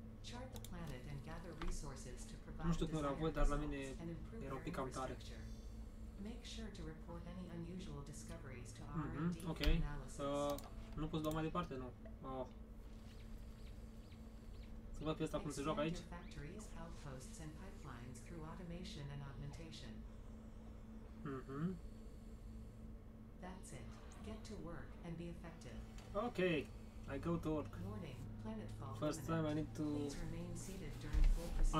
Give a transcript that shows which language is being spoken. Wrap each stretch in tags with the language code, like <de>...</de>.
<en>Chart the planet and gather resources to provide the necessary results and improve the infrastructure. Make sure to report any unusual discoveries to R&D okay. Analysis.</en> <ro>Nu pot să dau mai departe, nu. Să văd pe asta cum se joacă aici.</ro> <en>Extend factories, outposts and pipelines through automation and augmentation. That's it. Get to work and be effective. Okay. I go to work. Morning. Planetfall. First time I need to... Please remain seated during full procedure.</en>